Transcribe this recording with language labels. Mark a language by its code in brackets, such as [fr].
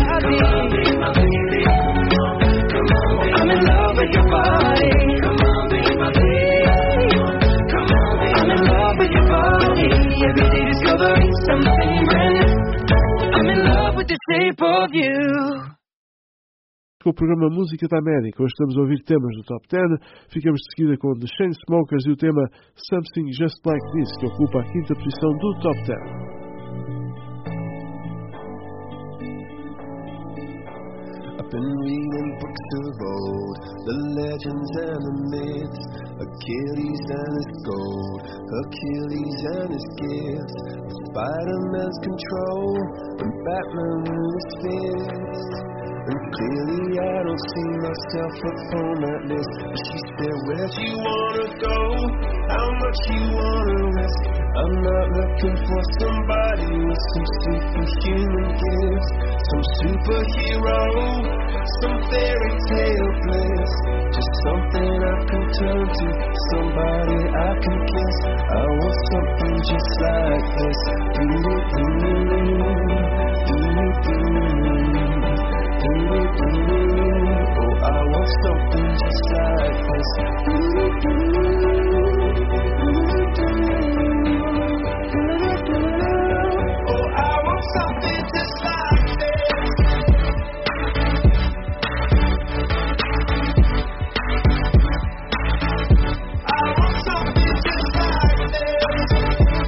[en] Come on, be my baby. Come on, come on. I'm in love with your body. Come on, be my baby. Come on, be my baby. I'm in love with your body. Every day discovering something brand new. I'm in love with the shape of you. [pt] Com o programa Música da América, hoje estamos a ouvir temas do Top 10. Ficamos de seguida com The Chainsmokers e o tema Something Just Like This, que ocupa a quinta posição do Top 10. [en] I've been reading books of old, the legends and the myths, Achilles and his gold, Achilles and his gifts, Spider-Man's control, and Batman's fists. And clearly I don't see myself up on that list. But she said, where do you wanna go? How much you wanna risk? I'm not looking for somebody with some superhuman gifts. Some superhero, some fairy tale bliss. Just something I can turn to, somebody I can kiss. I want something just like this. Do do do do do do do do do do do. Oh, I want something just like this. Oh, I want something just like this. I want something just like this.